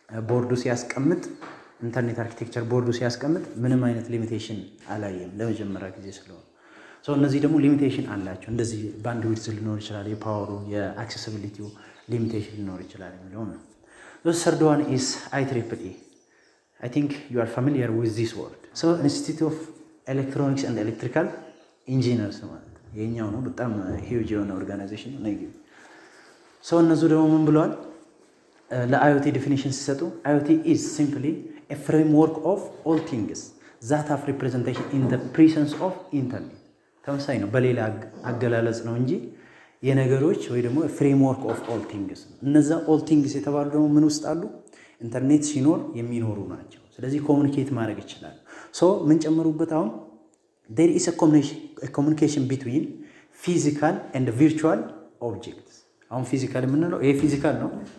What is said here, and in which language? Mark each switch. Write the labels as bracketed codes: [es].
[en] board ሲያስቀምጥ internet architecture board ሲያስቀምጥ [am] ምንም አይነት [en] limitation [am] አላየም ለመጀመሪያ ጊዜ ስለሆነ [en] so [am] እነዚ ደግሞ [en] limitation [am] አላቸው እንደዚህ [en] bandwidth [am] ሊኖር ይችላል [en] የpower የaccessibility limitation [am] ሊኖር ይችላል ይሉን [en] so third one is IEEE I think you are familiar with this word. So Institute of Electronics and Electrical Engineers. [am] የኛው ነው በጣም huge የሆነ organization ነው። So እነዚህ ደግሞ ምን ብለዋል? ለIoT definition ሲሰጡ [en] IoT is simply a framework of all things that have representation in the presence of internet. [am] ተመሳሳይ ነው በሌላ አገላለጽ ነው እንጂ የነገሮች ወይ ደግሞ framework of all things. እነዛ all things የተባሉ ደግሞ ምን ውስጥ አሉ? ኢንተርኔት ሲኖር የሚኖሩ ናቸው ስለዚህ ኮሙኒኬት ማድረግ ይችላል ሶ ምን ጨምሩበት አሁን [en] there is a communication between physical and virtual objects [am] አሁን physical ምን ነው ይሄ physical ነው